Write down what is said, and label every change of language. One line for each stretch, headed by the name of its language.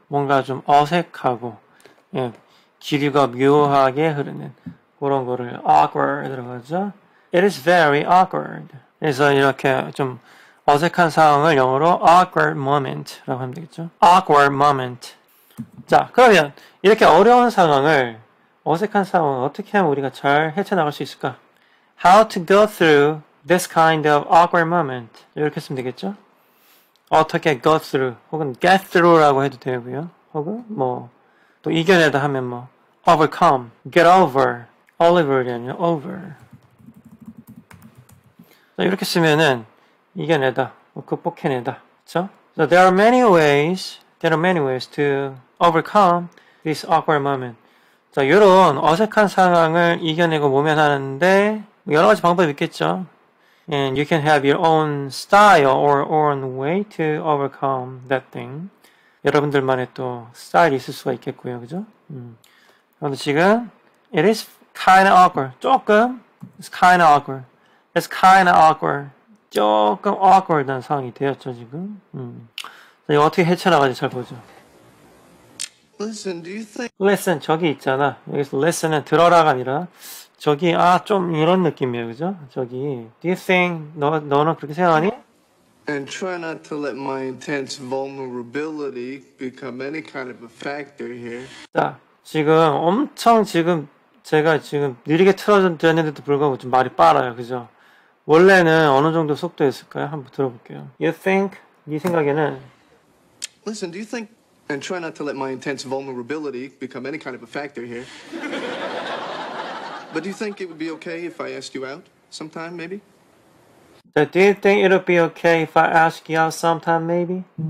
Korean: 뭔가 좀 어색하고, 예, 기류가 묘하게 흐르는 그런 거를 awkward이라고 하죠. It is very awkward. 그래서 이렇게 좀 어색한 상황을 영어로 awkward moment라고 하면 되겠죠.
English: awkward moment.
Korean: 자, 그러면 이렇게 어려운 상황을 어색한 상황을 어떻게 하면 우리가 잘 헤쳐나갈 수 있을까?
English: How to go through this kind of awkward moment.
Korean: 이렇게 쓰면 되겠죠. 어떻게 go through 혹은 get through라고 해도 되고요. 혹은 뭐 또 이겨내다 하면 뭐 overcome, get over, over이 아니라 over. 이렇게 쓰면은 이겨내다, 극복해내다, 그렇죠?
English: So there are many ways, there are many ways to overcome this awkward moment.
Korean: 자, 이런 어색한 상황을 이겨내고 모면하는데 여러 가지 방법이 있겠죠.
English: And you can have your own style or own way to overcome that thing.
Korean: 여러분들만의 또 스타일이 있을 수가 있겠고요, 그죠?
English: 그런데 지금 it is kind of awkward. 조금 it's kind of awkward.
Korean: It's kind of awkward. 조금 awkward한 상황이 되었죠, 지금. 이거 어떻게 헤쳐나가지 잘 보죠.
English: Listen, do you think...
Korean: Listen, 저기 있잖아. 여기서 listen은 들어라가 아니라 저기, 아, 좀 이런 느낌이에요, 그죠? 저기, do you think... 너는 그렇게 생각하니?
English: And try not to let my intense vulnerability become any kind of a factor here.
Korean: 자, 지금 엄청 지금 제가 지금 느리게 틀어드렸는데도 불구하고 좀 말이 빨라요, 그죠? 원래는 어느 정도 속도였을까요? 한번 들어볼게요. You think? 네 생각에는?
English: Listen, do you think and try not to let my intense vulnerability become any kind of a factor here. But do you think it would be okay if I asked you out sometime, maybe? So do you think it would be okay if I ask you out sometime, maybe?